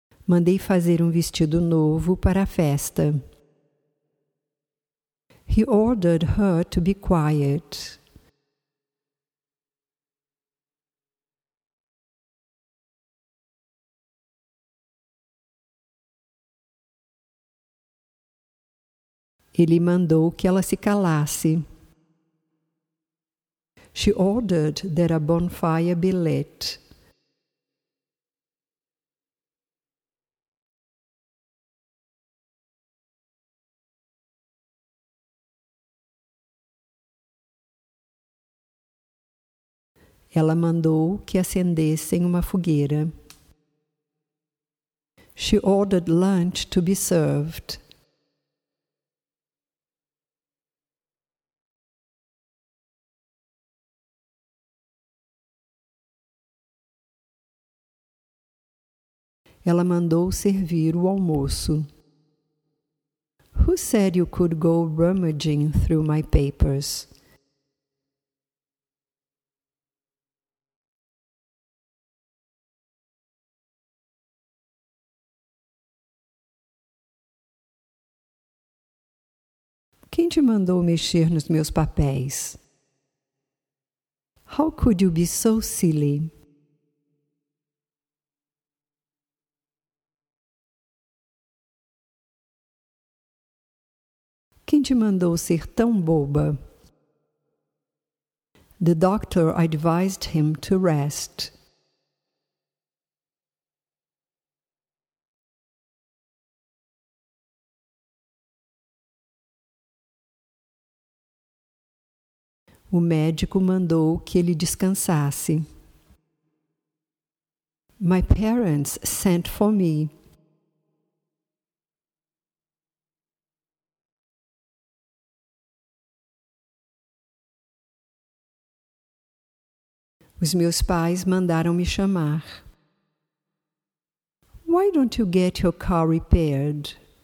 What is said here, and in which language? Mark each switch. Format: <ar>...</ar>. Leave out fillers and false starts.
<pt>Mandei fazer um vestido novo para a festa.</pt> <en>He ordered her to be quiet.</en> <pt>Ele mandou que ela se calasse.</pt> <en>She ordered that a bonfire be lit.</en> <pt>Ela mandou que acendessem uma fogueira.</pt> <en>She ordered lunch to be served.</en> <pt>Ela mandou servir o almoço.</pt> <en>Who said you could go rummaging through my papers?</en> <pt>Quem te mandou mexer nos meus papéis?</pt> <en>How could you be so silly?</en> <pt>Quem te mandou ser tão boba?</pt> <en>The doctor advised him to rest.</en> <pt>O médico mandou que ele descansasse.</pt> <en>My parents sent for me.</en> <pt>Os meus pais mandaram me chamar.</pt> <en>Why don't you get your car repaired?</en>